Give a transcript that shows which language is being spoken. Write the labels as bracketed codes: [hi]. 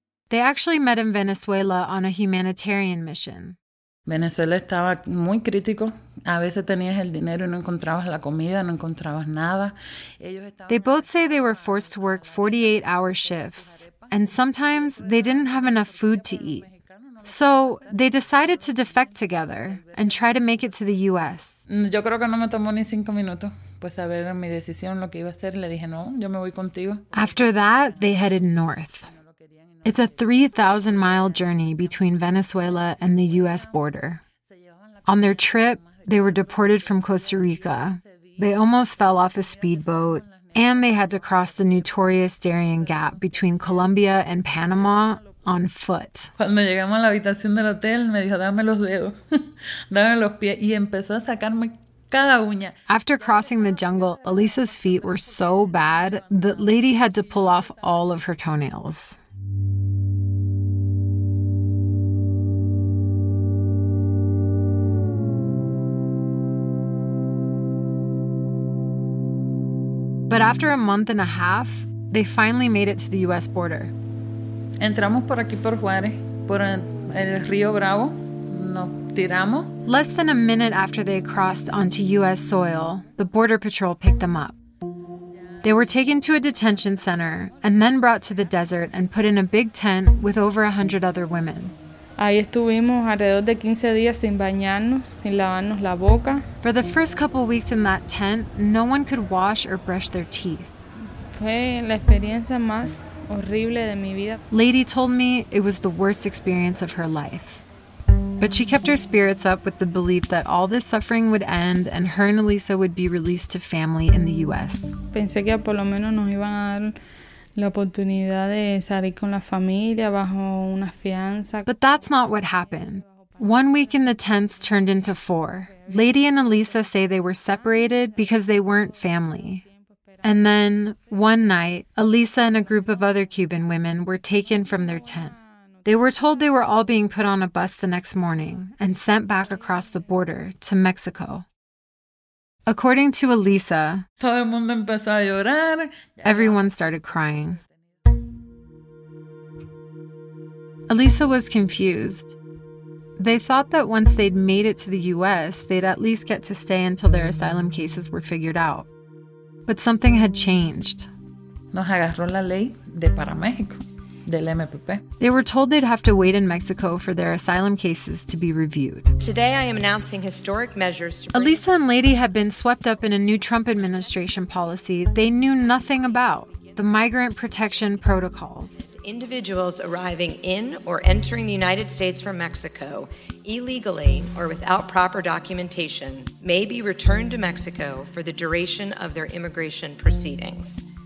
[en] They actually met in Venezuela on a humanitarian mission. [es] Venezuela estaba muy crítico. A veces tenías el dinero y no encontrabas la comida, no encontrabas nada. [en] They both say they were forced to work 48-hour shifts, and sometimes they didn't have enough food to eat. So they decided to defect together and try to make it to the U.S. [es] Yo creo que no me tomó ni cinco minutos. Pues a ver mi decisión, lo que iba a hacer. Le dije, no, yo me voy contigo. [en] After that, they headed north. It's a 3,000-mile journey between Venezuela and the U.S. border. On their trip, they were deported from Costa Rica. They almost fell off a speedboat, and they had to cross the notorious Darien Gap between Colombia and Panama on foot. [es] Cuando llegamos a la habitación del hotel, me dijo, dame los dedos, dame los pies, y empezó a sacarme cada uña. [en] After crossing the jungle, Elisa's feet were so bad that Lady had to pull off all of her toenails. But after a month and a half, they finally made it to the U.S. border. [es] Entramos por aquí por Juárez, por el río Bravo. Nos tiramos. [en] Less than a minute after they crossed onto U.S. soil, the Border Patrol picked them up. They were taken to a detention center and then brought to the desert and put in a big tent with over 100 other women. [es] Ahí estuvimos alrededor de 15 días sin bañarnos, sin lavarnos la boca. [en] For the first couple weeks in that tent, no one could wash or brush their teeth. [es] Fue la experiencia más horrible de mi vida. [en] Lady told me it was the worst experience of her life. But she kept her spirits up with the belief that all this suffering would end and her and Elisa would be released to family in the U.S. [es] Pensé que por lo menos nos iban a dar la oportunidad de salir con la familia bajo una fianza. [en] But that's not what happened. 1 week in the tents turned into four. Lady and Elisa say they were separated because they weren't family. And then, one night, Elisa and a group of other Cuban women were taken from their tent. They were told they were all being put on a bus the next morning and sent back across the border to Mexico. According to Elisa, [es] todo el mundo empezó a llorar. [en] Everyone started crying. Elisa was confused. They thought that once they'd made it to the U.S., they'd at least get to stay until their asylum cases were figured out. But something had changed. [es] Nos agarró la ley de para México, del MPP. [en] They were told they'd have to wait in Mexico for their asylum cases to be reviewed. Today I am announcing historic measures to Elisa and Lady had been swept up in a new Trump administration policy they knew nothing about, the migrant protection protocols. Individuals arriving in or entering the United States from Mexico illegally or without proper documentation may be returned to Mexico for the duration of their immigration proceedings.